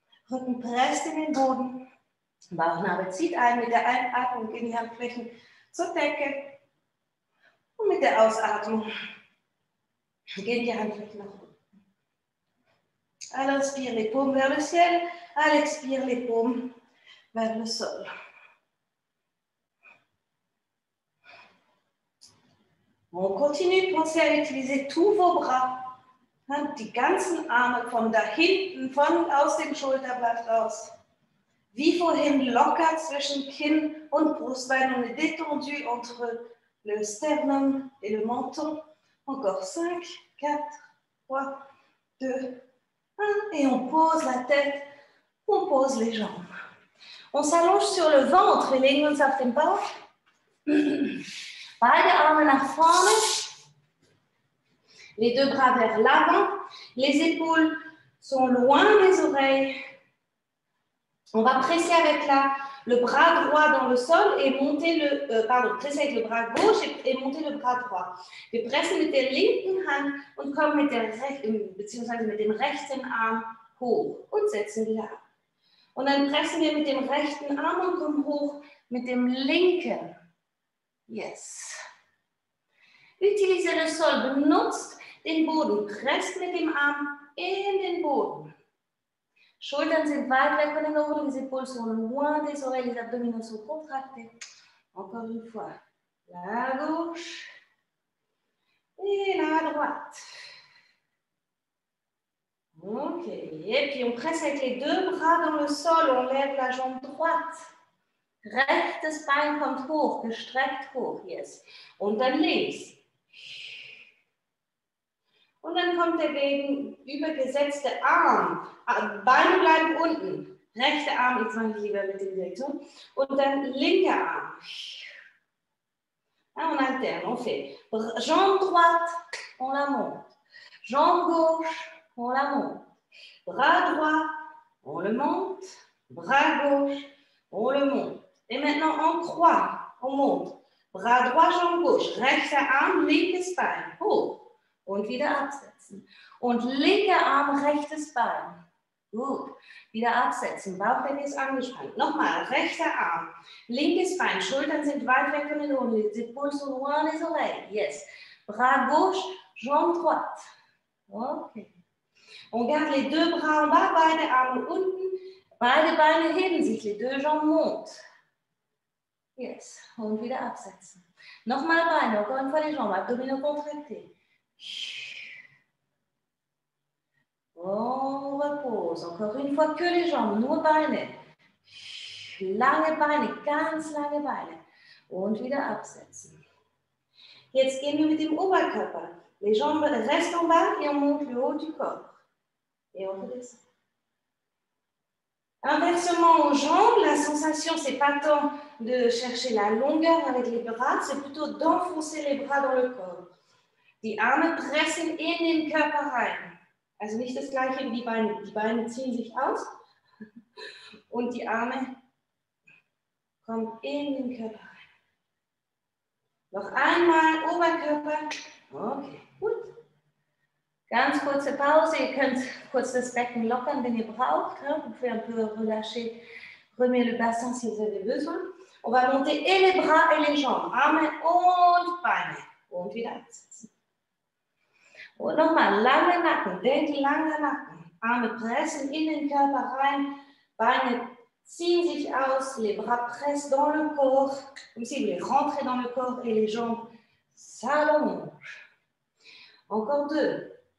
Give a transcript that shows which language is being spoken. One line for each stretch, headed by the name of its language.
German: Rücken presst in den Boden, Bauchnabe zieht ein, mit der Einatmung in die Handflächen zur Decke, und mit der Ausatmung gehen die Handflächen nach oben.
French: À l'inspire, les paumes vers le ciel, à l'expire, les paumes vers le sol. On continue, pensez à utiliser tous vos bras,
German: die ganzen Arme von da hinten, von aus dem Schulterblatt raus. Wie vorhin locker zwischen Kinn und Brustbein und
French: détendu entre le sternum et le menton. Encore 5, 4, 3, 2, 1. Et on pose la tête, on pose les jambes. On s'allonge sur le ventre et
German: legen uns auf den Bauch. Beide Arme nach vorne,
French: les deux bras vers l'avant, les épaules sont loin des oreilles. On va presser avec le bras droit dans le sol et monter presser avec le bras gauche et monter le bras droit.
German: Wir pressen mit der linken Hand und kommen mit dem rechten Arm hoch und setzen wieder ab. Und dann pressen wir mit dem rechten Arm und kommen hoch mit dem linken. Yes.
French: Utilisez le sol,
German: benutzt den Boden, presst mit dem Arm in den Boden. Schultern sind weit weg von den Ohren,
French: les épaules sont loin des oreilles, les abdominaux sont contractés. Encore une fois, la gauche et la droite. Ok, et puis on presse avec les deux bras dans le sol, on lève la jambe droite.
German: Rechtes Bein kommt hoch, gestreckt hoch, yes. Und dann links. Und dann kommt der Bein übergesetzte Arm. Bein bleibt unten. Rechter Arm, jetzt mache ich lieber mit dem Direktor. Und dann linker Arm.
French: Ah, on alterne, on fait. Jambe droite, on la monte. Jambe gauche, on la monte. Bras droit, on le monte. Bras gauche, on le monte. Et maintenant, en croix, on monte. Bras droit, jambe gauche.
German: Rechter Arm, linkes Bein. Hoch. Und wieder absetzen. Und linker Arm, rechtes Bein. Gut. Wieder absetzen. Bauchdecke ist angespannt. Nochmal. Rechter Arm. Linkes Bein. Schultern sind weit weg von den Ohren.
French: Les épaules sont loin des oreilles. Yes. Bras gauche, jambe droite. Okay. On garde les deux bras en bas,
German: beide Arme unten. Beide Beine heben sich.
French: Les deux jambes montent. Yes.
German: Und wieder absetzen. Nochmal Beine.
French: Encore une fois les jambes. Abdominaux contractés. On repose. Encore une fois, que les jambes,
German: nur Beine. Lange Beine, ganz lange Beine. Und wieder absetzen. Jetzt gehen wir mit dem Oberkörper.
French: Les jambes restent en bas et on monte le haut du corps. Et on redescend. Inversement aux jambes, la sensation, c'est pas tant de chercher la longueur avec les bras, c'est plutôt d'enfoncer les bras dans le corps.
German: Die Arme pressen in den Körper rein. Also nicht das gleiche wie die Beine. Die Beine ziehen sich aus und die Arme kommen in den Körper rein. Noch einmal Oberkörper. Okay, gut. Ganz kurze Pause. Ihr könnt kurz das Becken lockern, wenn ihr braucht.
French: Vous pouvez un peu relâcher. Remuez le bassin si vous avez besoin. On va monter et les bras et les jambes.
German: Arme und Beine. Und wieder absetzen. Und nochmal, lange Nacken, denkt lange Nacken. Arme pressen in den Körper rein, Beine ziehen sich aus,
French: les bras pressent dans le corps, comme si vous les rentrez dans le corps et les jambes s'allongent. Encore deux.